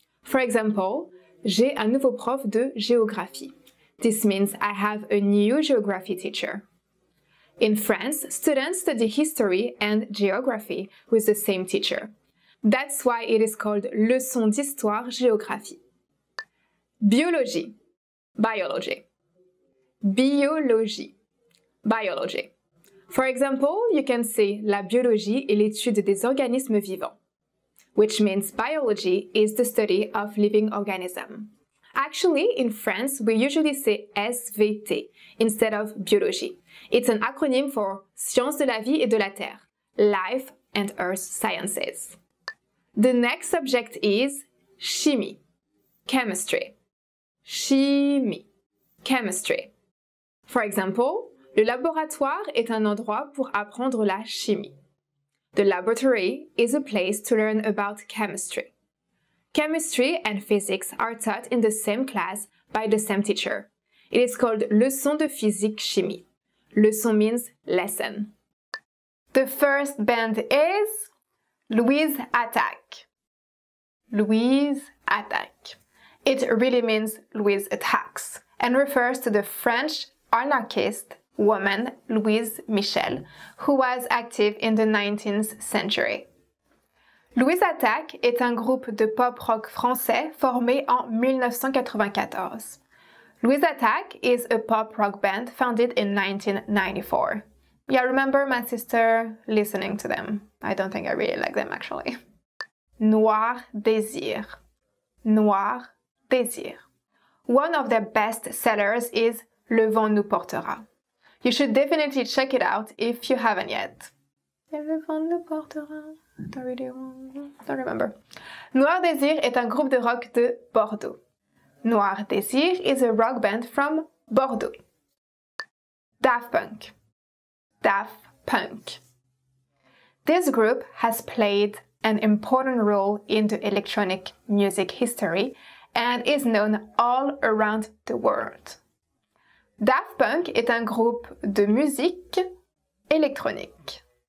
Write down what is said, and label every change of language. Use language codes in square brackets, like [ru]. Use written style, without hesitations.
[en] For example, [fr] j'ai un nouveau prof de géographie. [en] This means I have a new geography teacher. In France, students study history and geography with the same teacher. That's why it is called [fr] leçon d'histoire géographie. [en] Biologie. Biology. Biologie. Biology. For example, you can say [fr] la biologie est l'étude des organismes vivants, [en] which means biology is the study of living organisms. Actually, in France, we usually say SVT instead of biologie. It's an acronym for [fr] Sciences de la vie et de la terre, [en] Life and Earth Sciences. The next subject is chimie, chemistry. Chimie, chemistry. For example, [fr] le laboratoire est un endroit pour apprendre la chimie. [en] The laboratory is a place to learn about chemistry. Chemistry and physics are taught in the same class by the same teacher. It is called [fr] leçon de physique chimie. [en] Leçon means lesson. The first band is Louise Attack. Louise Attack. It really means Louise attacks and refers to the French anarchist woman Louise Michel, who was active in the 19th century. [fr] Louise Attack est un groupe de pop-rock français formé en 1994. [en] Louise Attack is a pop-rock band founded in 1994. Yeah, I remember my sister listening to them. I don't think I really like them, actually. Noir Désir. Noir Désir. One of their best sellers is Le Vent Nous Portera. You should definitely check it out if you haven't yet. Le Vent Nous Portera. Don't remember. [fr] Noir Désir est un groupe de rock de Bordeaux. [en] Noir Désir is a rock band from Bordeaux. Daft Punk. Daft Punk. This group has played an important role in the electronic music history and is known all around the world. [fr] Daft Punk est un groupe de musique électronique.